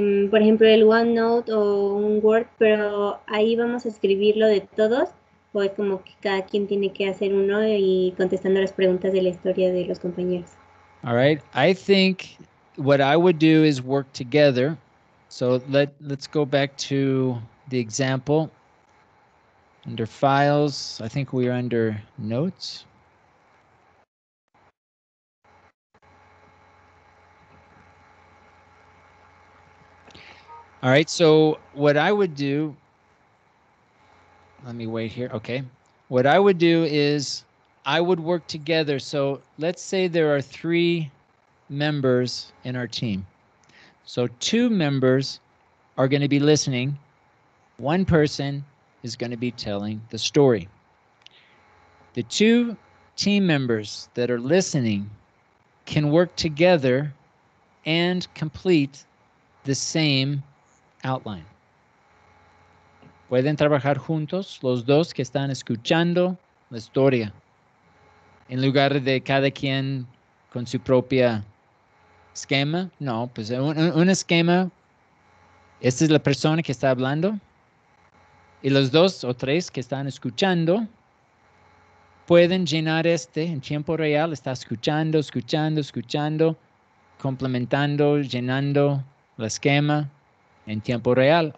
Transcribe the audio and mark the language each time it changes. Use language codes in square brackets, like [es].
[es] por ejemplo, el OneNote o un Word, pero ahí vamos a escribirlo de todos, o es como que cada quien tiene que hacer uno y contestando las preguntas de la historia de los compañeros. [en] All right. I think what I would do is work together. So let's go back to the example. Under files, I think we are under notes. All right, so what I would do, let me wait here, okay. What I would do is I would work together. So let's say there are three members in our team. So two members are going to be listening. One person is going to be telling the story. The two team members that are listening can work together and complete the same outline. [es] Pueden trabajar juntos los dos que están escuchando la historia en lugar de cada quien con su propia esquema. No, pues un esquema, esta es la persona que está hablando y los dos o tres que están escuchando pueden llenar este en tiempo real, está escuchando, complementando, llenando el esquema en tiempo real.